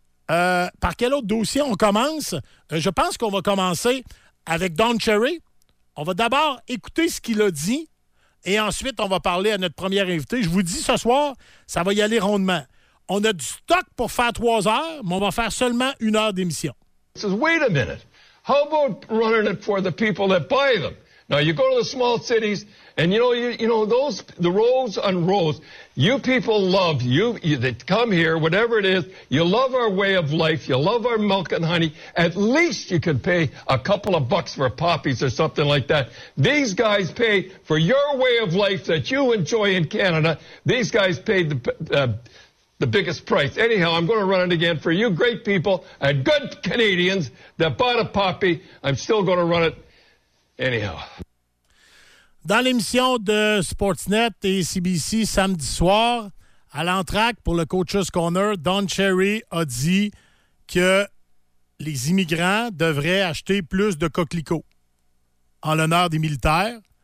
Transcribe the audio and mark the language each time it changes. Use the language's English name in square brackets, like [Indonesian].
[French] Par quel autre dossier on commence? Je pense qu'on va commencer avec Don Cherry. On va d'abord écouter ce qu'il a dit et ensuite, on va parler à notre premier invité. Je vous dis ce soir, ça va y aller rondement. On a du stock pour faire 3 heures, mais on va faire seulement 1 heure d'émission. [English] He says, wait a minute. How about running it for the people that buy them? Now, you go to the small cities and you know those, the roads on roads, you people love, you that come here, whatever it is, you love our way of life, you love our milk and honey, at least you can pay a couple of bucks for poppies or something like that. These guys pay for your way of life that you enjoy in Canada. These guys paid the biggest price. Anyhow, I'm going to run it again for you great people and good Canadians that bought a poppy. I'm still going to run it. Anyhow. [French] Dans l'émission de Sportsnet et CBC samedi soir, à l'entracte pour le Coach's Corner, Don Cherry a dit que les immigrants devraient acheter plus de coquelicots en l'honneur des militaires.